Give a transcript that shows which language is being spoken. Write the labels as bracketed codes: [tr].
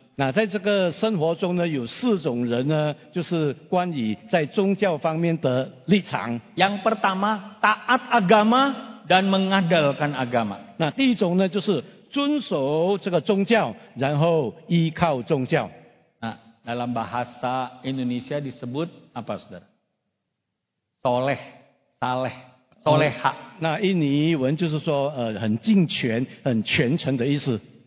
[zh] 那在这个生活中呢，有四种人呢，就是关于在宗教方面的立场。 [id] Yang pertama taat agama dan mengandalkan agama. [zh] 那第一种呢，就是遵守这个宗教，然后依靠宗教。 [id] Nah, dalam bahasa Indonesia disebut apa, saudara? Soleh, saleh, soleha. [zh] 那印尼文就是说，很敬虔、很虔诚的意思。